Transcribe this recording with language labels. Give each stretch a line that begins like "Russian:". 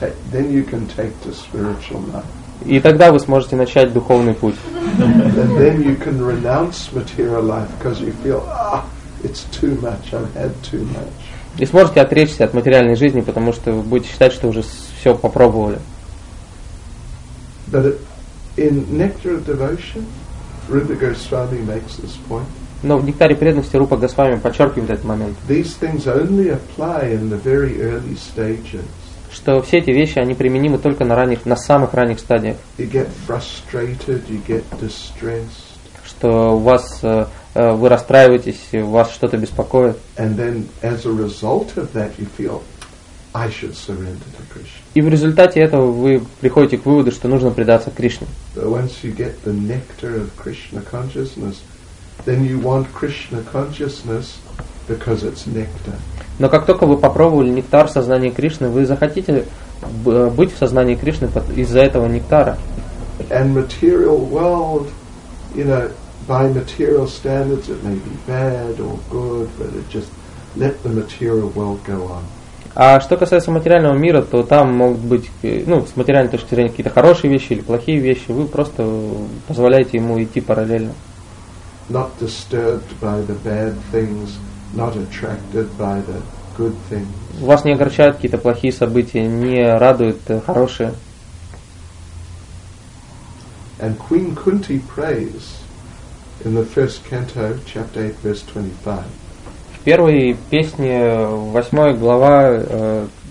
English: Then you can take to spiritual life.
Russian: И тогда вы сможете начать духовный путь.
English: And then you can renounce material life because you feel, it's too much. I've had too much.
Russian: И сможете отречься от материальной жизни, потому что вы будете считать, что уже все попробовали.
English: In Nectar of Devotion, Rupa Goswami makes this point.
Russian: Но в Нектаре преданности Рупа Госвами подчеркивает этот момент.
English: These things only apply in the very early stages.
Russian: Что все эти вещи они применимы только на самых ранних стадиях.
English: You get frustrated, you get distressed.
Russian: Что у вас вы расстраиваетесь, вас что-то беспокоит.
English: And then as a result of that you feel I should surrender to Krishna.
Russian: И в результате этого вы приходите к выводу, что нужно предаться Кришне.
English: Once you get the nectar of Krishna consciousness, then you want Krishna consciousness because it's nectar.
Russian: Но как только вы попробовали нектар сознания Кришны, вы захотите быть в сознании Кришны из-за этого нектара.
English: And material world, you know, by material standards, it may be bad or good, but it just let the material world go on.
Russian: А что касается материального мира, то там могут быть, ну, с материальной точки зрения, какие-то хорошие вещи или плохие вещи, вы просто позволяете ему идти параллельно.
English: Not disturbed by the bad things, not attracted by the good things.
Russian: Вас не огорчают какие-то плохие события, не радуют хорошие.
English: And Queen Kunti prays in the first canto, chapter 8, verse 25.
Russian: В первой песне, восьмой глава,